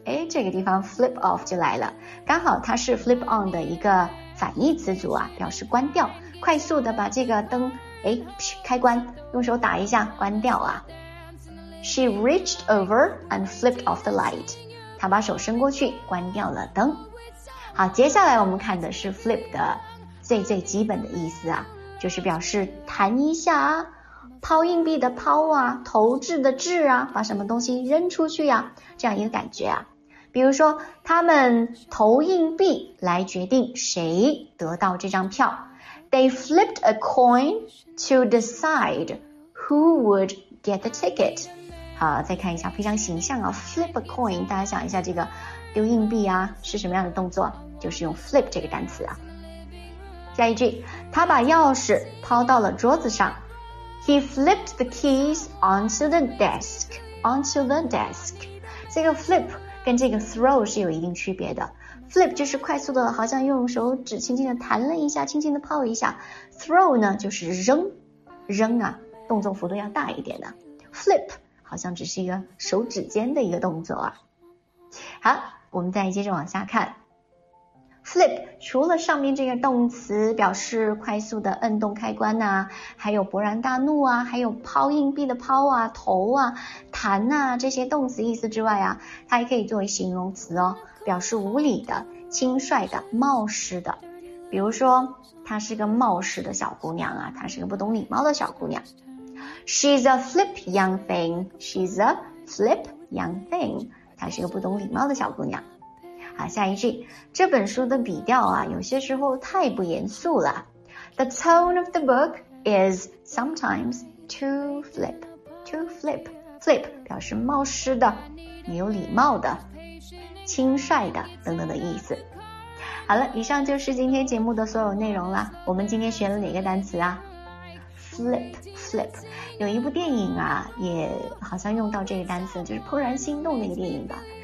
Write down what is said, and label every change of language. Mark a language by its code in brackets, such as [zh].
[zh] 诶，这个地方 flip off 就来了，刚好它是 flip on 的一个反义词组啊，表示关掉，快速的把这个灯诶开关，用手打一下关掉啊。 [en] She reached over and flipped off the light. [zh] 她把手伸过去关掉了灯。好，接下来我们看的是 flip 的最最基本的意思啊，就是表示弹一下啊，抛硬币的抛啊，投掷的掷啊，把什么东西扔出去啊，这样一个感觉啊。比如说他们投硬币来决定谁得到这张票。 [en] They flipped a coin to decide who would get the ticket. [zh] 好，再看一下非常形象啊， flip a coin, 大家想一下这个丢硬币啊是什么样的动作，就是用 flip 这个单词啊。下一句，他把钥匙抛到了桌子上。 [en] He flipped the keys onto the desk. Onto the desk. [zh] 这个 flip 跟这个 throw 是有一定区别的。Flip 就是快速的，好像用手指轻轻的弹了一下，轻轻的抛一下。Throw 呢，就是扔，扔啊，动作幅度要大一点的。flip 好像只是一个手指尖的一个动作啊。好，我们再接着往下看。flip 除了上面这个动词表示快速的摁动开关啊，还有勃然大怒啊，还有抛硬币的抛啊，投啊，弹啊，这些动词意思之外啊，它还可以作为形容词哦，表示无礼的、轻率的、冒失的。比如说她是个冒失的小姑娘啊，她是个不懂礼貌的小姑娘。 [en] She's a flip young thing. She's a flip young thing. [zh] 她是个不懂礼貌的小姑娘。好，下一句，这本书的笔调啊，有些时候太不严肃了。 [en] The tone of the book is sometimes too flip. Too flip. [zh] Flip 表示冒失的、没有礼貌的、轻率的等等的意思。好了，以上就是今天节目的所有内容了。我们今天学了哪个单词啊？ Flip 有一部电影啊，也好像用到这个单词，就是怦然心动那个电影吧。